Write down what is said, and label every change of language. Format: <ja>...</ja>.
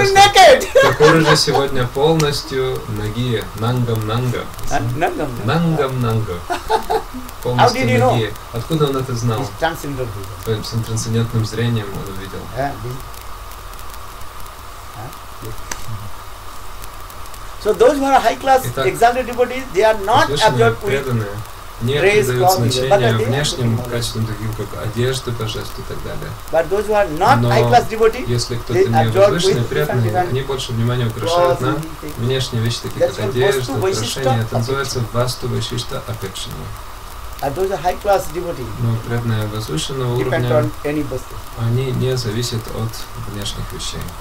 <ru>Thakurji сегодня полностью наги, нангам-нанга. Нангам-нанга. Полностью наги.</ru> <en>Know?</en> <ru>Откуда он это знал? Своим трансцендентным зрением он увидел.</ru> <en>So those who are high class exalted devotees, they are not absorbed with</en> <ru>не придают значения внешним качествам, таким как одежда, божества и так далее. Но если кто-то не возвышенный, преданный, они больше внимания украшают на внешние вещи, такие как одежда, украшения. Это называется Васту Вайшишта Апекшини. Но преданные возвышенного уровня, они не зависят от внешних вещей.</ru>